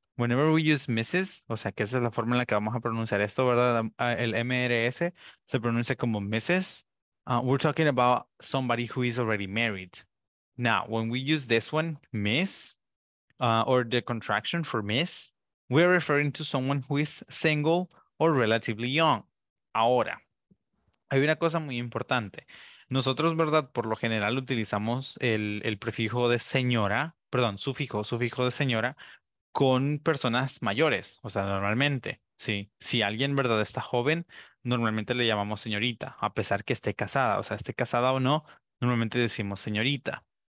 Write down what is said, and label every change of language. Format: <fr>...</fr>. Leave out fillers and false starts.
<en>Whenever we use Mrs.,</en> <es>o sea, que esa es la forma en la que vamos a pronunciar esto, ¿verdad? El MRS se pronuncia como Mrs.</es> <en>We're talking about somebody who is already married. Now, when we use this one, Miss, or the contraction for Miss, we're referring to someone who is single or relatively young.</en> <es>Ahora, hay una cosa muy importante. Nosotros, ¿verdad? Por lo general utilizamos el prefijo de señora, perdón, sufijo de señora, con personas mayores, o sea, normalmente, ¿sí? Si alguien, ¿verdad?, está joven, normalmente le llamamos señorita, a pesar que esté casada. O sea, esté casada o no, normalmente decimos señorita.</es>